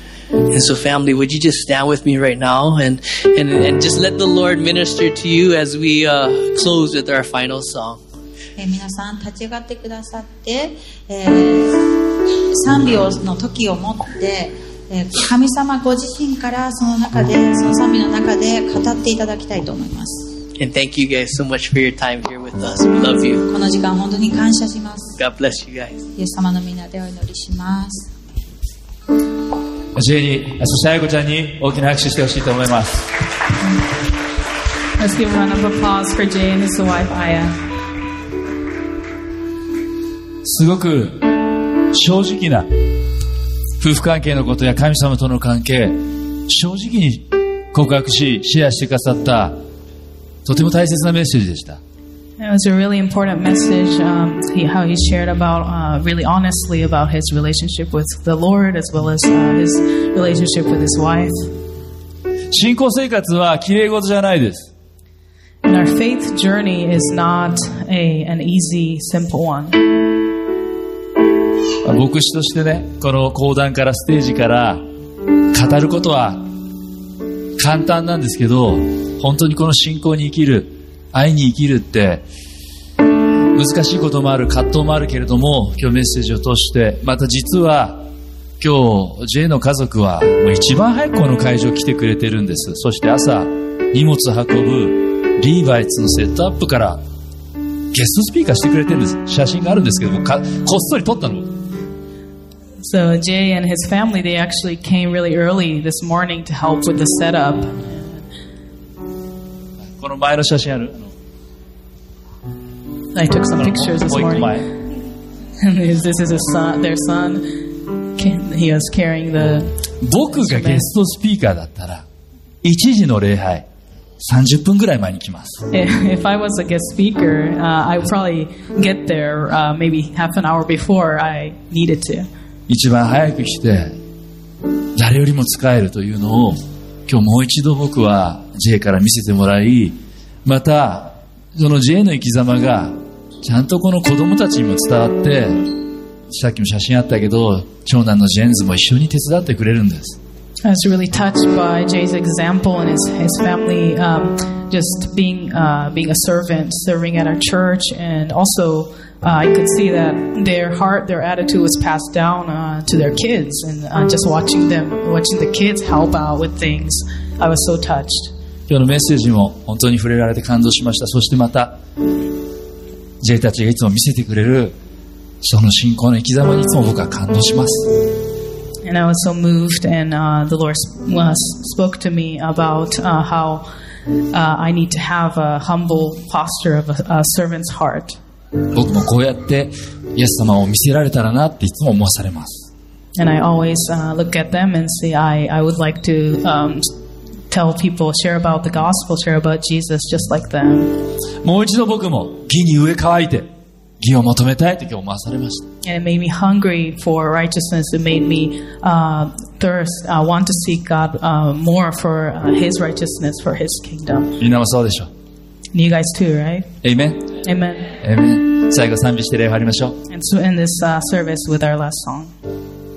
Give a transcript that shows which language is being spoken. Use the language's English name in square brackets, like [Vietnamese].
[English] And so family, would you just stand with me right now and just let the Lord minister to you as we close with our final song. [Japanese] 皆さん立ち上がってくださって、賛美の時を持って、神様ご自身からその中でその賛美の中で語っていただきたいと思います。 [English] And thank you guys so much for your time here with us. We love you. [Japanese] この時間本当に感謝します。 [English] God bless you guys. [Japanese] イエス様の皆でお祈りします。ジェニー、そして愛子ちゃんに大きな拍手してほしいと思います。 [English] Let's give a round of applause for Jane and his wife Aya. [Japanese] すごく正直な夫婦関係のことや神様との関係、正直に告白しシェアしてくださったとても大切なメッセージでした。 [English] It was a really important message, how he shared about, really honestly about his relationship with the Lord as well as, his relationship with his wife. [Japanese] 信仰生活は綺麗事じゃないです。 [English] And our faith journey is not an easy, simple one. [Japanese] 牧師としてね、この講談からステージから語ることは簡単なんですけど、本当にこの信仰に生きる愛に生きるって難しいこともある、葛藤もあるけれども、今日メッセージを通して、また実は今日 J の家族は一番早くこの会場来てくれてるんです。そして朝荷物運ぶリーバイツのセットアップからゲストスピーカーしてくれてるんです。写真があるんですけども、こっそり撮ったの。 [English] So Jay and his family, they actually came really early this morning to help with the setup. [Japanese] この前の写真ある？ [English] I took some pictures this morning. This is his son, their son. He was carrying the... [Japanese] 僕がゲストスピーカーだったら1時の礼拝30分ぐらい前に来ます。 [English] If I was a guest speaker, I would probably get there maybe half an hour before I needed to. [Japanese] 一番早く来て誰よりも使えるというのを今日もう一度僕は J から見せてもらい、またその J の生き様がちゃんとこの子供たちにも伝わって、さっきも写真あったけど長男のジェンズも一緒に手伝ってくれるんです。 [English] I was really touched by J's example and his family, just being, being a servant serving at our church, and also, I could see that their heart, their attitude was passed down, to their kids, and, just watching them, watching the kids help out with things, I was so touched. [Japanese] 今日のメッセージも本当に触れられて感動しました。そしてまた J たちがいつも見せてくれるその信仰の生き様にいつも僕は感動します。 [English] And I was so moved, and the Lord spoke to me about how I need to have a humble posture of a servant's heart. [Japanese] 僕もこうやってイエス様を見せられたらなっていつも思わされます。 [English] And I always look at them and say, I would like to tell people, share about the gospel, share about Jesus just like them. [Japanese] もう一度僕も義に飢え渇いて義を求めたいと今日思わされました。 [English] And it made me hungry for righteousness. It made me thirst, want to seek God more for His righteousness, for His kingdom. [Japanese] みんなもそうでしょう。 [English] And you guys too, right? Amen. Amen. Amen. [Japanese] 最後賛美して礼を終わりましょう。 [English] And to end this service with our last song.